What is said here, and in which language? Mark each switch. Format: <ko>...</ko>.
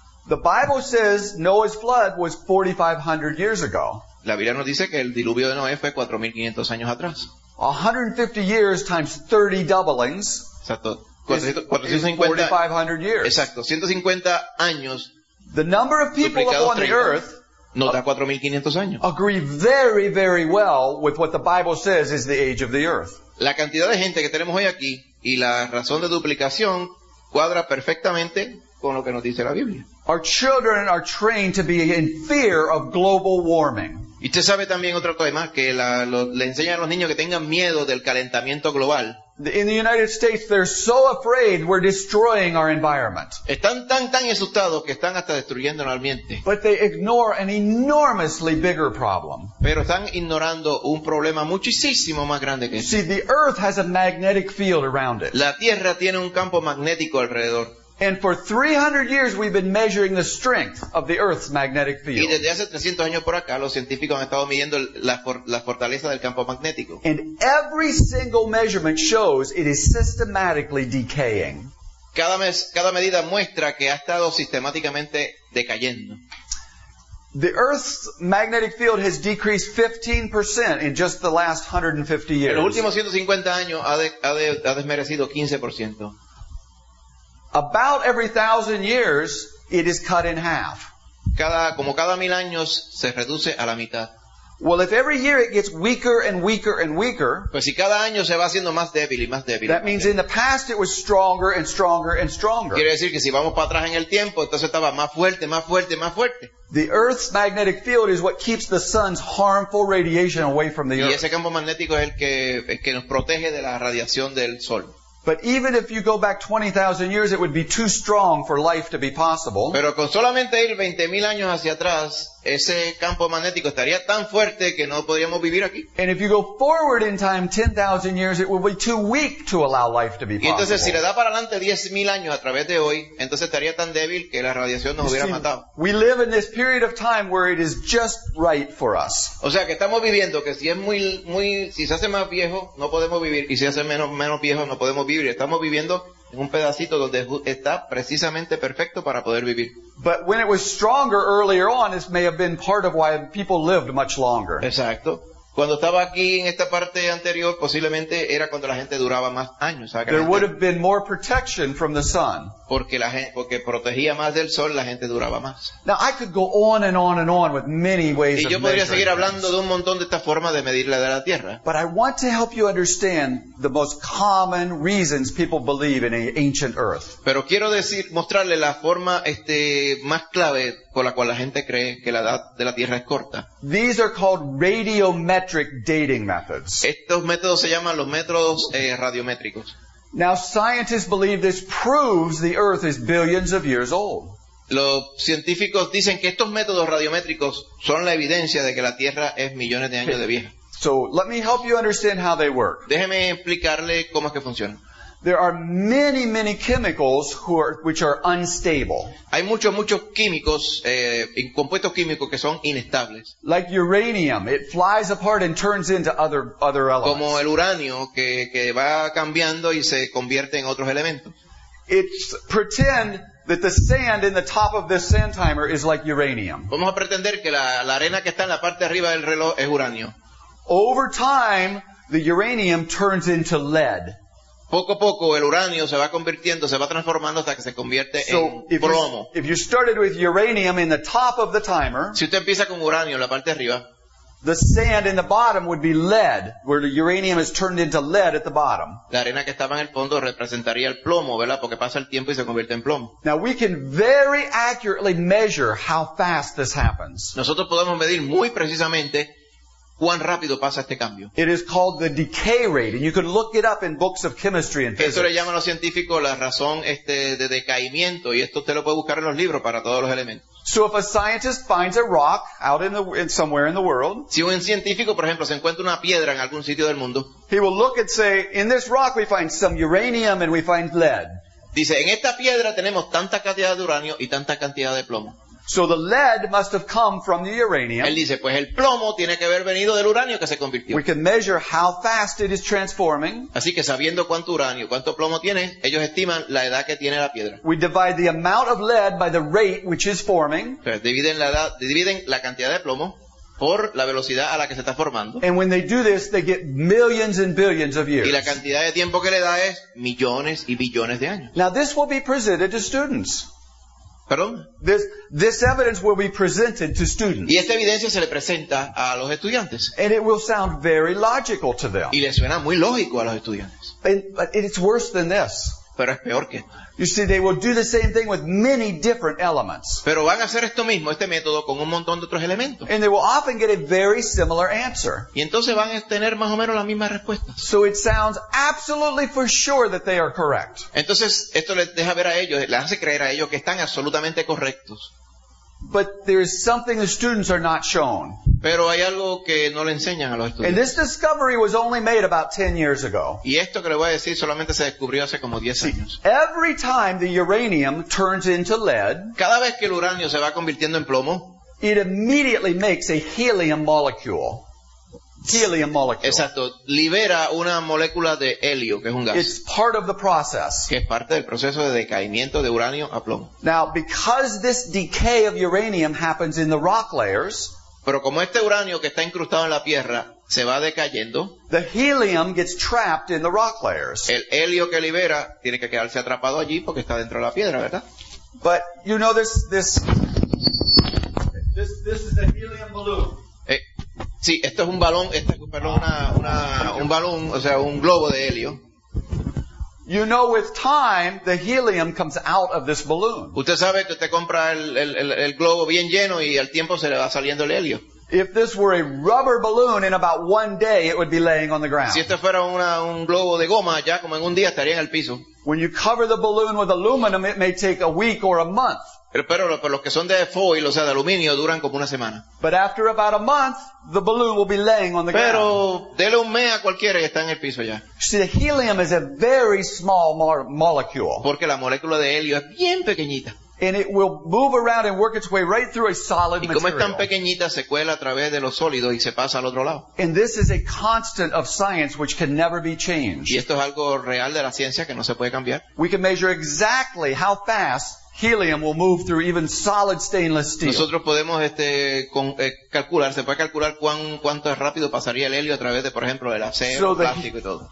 <en>The Bible says Noah's flood was 4,500 years ago.</en> <es>La Biblia nos dice que el diluvio de Noé fue 4,500 años atrás.</es> <en>150 years times 30 doublings.</en> <es>Exacto. 450.</es> <en>4,500 years.</en> <es>Exacto. 150 años.</es> <en>The number of people upon the earth.</en> <es>No da 4,500 años.</es> <en>Agree very, very well with what the Bible says is the age of the earth.</en> <es>La cantidad de gente que tenemos hoy aquí y la razón de duplicación cuadra perfectamente con lo que nos dice la Biblia.</es> <en>Our children are trained to be in fear of global warming.</en> <es>Y usted sabe también otra cosa más, que le enseñan a los niños que tengan miedo del calentamiento global.</es> <en>In the United States, they're so afraid we're destroying our environment.</en> <es>Están tan asustados que están hasta destruyendo el ambiente.</es> <en>But they ignore an enormously bigger problem.</en> <es>Pero están ignorando un problema muchísimo más grande que este.</es> <en>See, the earth has a magnetic field around it.</en> <es>La tierra tiene un campo magnético alrededor.</es> <en>And for 300 years we've been measuring the strength of the Earth's magnetic field.</en> <es>Y desde hace 300 años por acá los científicos han estado midiendo la fortaleza del campo magnético.</es> <en>And every single measurement shows it is systematically decaying.</en> <es>Cada medida muestra que ha estado sistemáticamente decayendo.</es> <en>The Earth's magnetic field has decreased 15% in just the last 150 years.</en> <es>En los últimos 150 años ha desmerecido 15%.</es> <en>About every 1,000 years, it is cut in half.</en> <es>Como cada 1,000 años, se reduce a la mitad.</es> <en>Well, if every year it gets weaker and weaker and weaker,</en> <es>pues si cada año se va haciendo más débil y más débil,</es> <en>that means</en> <es>débil.</es> <en>In the past it was stronger and stronger and stronger.</en> <es>Quiere decir que si vamos para atrás en el tiempo, entonces estaba más fuerte, más fuerte, más fuerte.</es> <en>The Earth's magnetic field is what keeps the sun's harmful radiation away from the</en> <es>y</es> <en>Earth.</en> <es>Y ese campo magnético es el que nos protege de la radiación del sol.</es> <en>But even if you go back 20,000 years, it would be too strong for life to be possible.</en> <es>Pero con solamente ir 20,000 años hacia atrás, ese campo magnético estaría tan fuerte que no podríamos vivir aquí.</es> <en>And if you go forward in time 10,000 years, it will be too weak to allow life to be possible.</en> <es>Y entonces si le da para adelante 10,000 años a través de hoy, entonces estaría tan débil que la radiación nos hubiera matado.</es> <en>We live in this period of time where it is just right for us.</en> <es>O sea, que estamos viviendo que si es muy si se hace más viejo, no podemos vivir, y si se hace menos viejo, no podemos vivir. Estamos viviendo en un pedacito donde está precisamente perfecto para poder vivir.</es> <en>But when it was stronger earlier on, this may have been part of why people lived much longer.</en> <es>Exacto. Cuando estaba aquí en esta parte anterior, posiblemente era cuando la gente duraba más años. ¿Sabes?</es> <en>There would have been more protection from the sun.</en> <es>Porque protegía más del sol, la gente duraba más.</es> <en>Now I could go on and on and on with many ways of</en> <es>Y yo podría seguir hablando de un montón de estas formas de medir la edad de la Tierra.</es> <en>But I want to help you understand the most common reasons people believe in an ancient Earth.</en> <es>Pero quiero decir, mostrarle la forma más clave por la cual la gente cree que la edad de la Tierra es corta.</es> <en>These are called radiometric dating methods.</en> <es>Estos métodos se llaman los métodos radiométricos.</es> <en>Now scientists believe this proves the Earth is billions of years old.</en> <es>Los científicos dicen que estos métodos radiométricos son la evidencia de que la Tierra es millones de años de vieja.</es> <en>So let me help you understand how they work.</en> <es>Déjeme explicarle cómo es que funcionan.</es> <en>There are many, many chemicals which are unstable.</en> <es>Hay muchos químicos, compuestos químicos que son inestables.</es> <en>Like uranium, it flies apart and turns into other elements.</en> <es>Como el uranio que va cambiando y se convierte en otros elementos.</es> <en>It's pretend that the sand in the top of this sand timer is like uranium.</en> <es>Vamos a pretender que la arena que está en la parte de arriba del reloj es uranio.</es> <en>Over time, the uranium turns into lead.</en> <es>Poco a poco el uranio se va convirtiendo, se va transformando hasta que se convierte</es> <en>so</en> <es>en plomo.</es> <en>If you started with uranium in the top of the timer,</en> <es>si usted empieza con uranio en la parte de arriba,</es> <en>the sand in the bottom would be lead, where the uranium is turned into lead at the bottom.</en> <es>La arena que estaba en el fondo representaría el plomo, ¿verdad? Porque pasa el tiempo y se convierte en plomo.</es> <en>Now we can very accurately measure how fast this happens.</en> <es>Nosotros podemos medir muy precisamente cuán rápido pasa este cambio.</es> <en>It is called the decay rate, and you can look it up in books of chemistry and physics.</en> <es>Eso le llaman los científicos la razón de decaimiento, y esto usted lo puede buscar en los libros para todos los elementos.</es> <en>So if a scientist finds a rock out somewhere in the world,</en> <es>si un científico, por ejemplo, se encuentra una piedra en algún sitio del mundo,</es> <en>he will look and say, in this rock we find some uranium and we find lead.</en> <es>Dice, en esta piedra tenemos tanta cantidad de uranio y tanta cantidad de plomo.</es> <en>So the lead must have come from the uranium.</en> <es>Él dice, pues el plomo tiene que haber venido del uranio que se convirtió.</es> <en>We can measure how fast it is transforming.</en> <es>Así que sabiendo cuánto uranio, cuánto plomo tiene, ellos estiman la edad que tiene la piedra.</es> <en>We divide the amount of lead by the rate which is forming.</en> <es>Pues dividen la cantidad de plomo por la velocidad a la que se está formando.</es> <en>And when they do this, they get millions and billions of years.</en> <es>Y la cantidad de tiempo que le da es millones y billones de años.</es> <en>Now this will be presented to students.</en> <es>¿Perdón?</es> <en>This evidence will be presented to students.</en> <es>Y esta evidencia se le presenta a los estudiantes.</es> <en>And it will sound very logical to them.</en> <es>Y les suena muy lógico a los estudiantes.</es> <en>But it's worse than this.</en> <es>Pero es peor que esto.</es> <en>You see, they will do the same thing with many different elements.</en> <es>Pero van a hacer esto mismo, este método, con un montón de otros elementos.</es> <en>And they will often get a very similar answer.</en> <es>Y entonces van a tener más o menos las mismas respuestas.</es> <en>So it sounds absolutely for sure that they are correct.</en> <es>Entonces, esto les deja ver a ellos, les hace creer a ellos que están absolutamente correctos.</es> <en>But there is something the students are not shown.</en> <es>Pero hay algo que no le enseñan a los estudiantes.</es> <en>And this discovery was only made about 10 years ago.</en> <es>Y esto que le voy a decir solamente se descubrió hace como 10 años.</es> <en>Every time the uranium turns into lead,</en> <es>cada vez que el uranio se va convirtiendo en plomo,</es> <en>it immediately makes a helium molecule. Helium molecule.</en> <es>Exacto. Libera una molécula de helio, que es un gas.</es> <en>It's part of the process.</en> <es>Que es parte del proceso de decaimiento de uranio a plomo.</es> <en>Now, because this decay of uranium happens in the rock layers,</en> <es>pero como este uranio que está incrustado en la tierra se va decayendo,</es> <en>the helium gets trapped in the rock layers.</en> <es>El helio que libera tiene que quedarse atrapado allí porque está dentro de la piedra, ¿verdad?</es> <en>But you know this is a helium balloon.</en> <es>Sí, esto es un balón, un balón, o sea, un globo de helio.</es> <en>You know, with time, the helium comes out of this balloon.</en> <es>Usted sabe que usted compra el globo bien lleno y al tiempo se le va saliendo el helio.</es> <en>If this were a rubber balloon, in about one day, it would be laying on the ground.</en> <es>Si este fuera un globo de goma, ya como en un día estaría en el piso.</es> <en>When you cover the balloon with aluminum, it may take a week or a month.</en> <es>Pero los que son de foil, o sea, de aluminio, duran como una semana.</es> <en>But after about a month, the balloon will be laying on the</en> <es>pero,</es> <en>ground.</en> <es>Pero dele un mes a cualquiera y está en el piso ya.</es> <en>See, the helium is a very small molecule.</en> <es>Porque la molécula de helio es bien pequeñita.</es> <en>And it will move around and work its way right through a solid material.</en> <es>Y como es tan pequeñita, se cuela a través de los sólidos y se pasa al otro lado.</es> <en>And this is a constant of science which can never be changed.</en> <es>Y esto es algo real de la ciencia que no se puede cambiar.</es> <en>We can measure exactly how fast helium will move through even solid stainless steel.</en> <es>Nosotros podemos calcular, se puede calcular cuánto rápido pasaría el helio a través de, por ejemplo, el acero, so el plástico y todo.</es>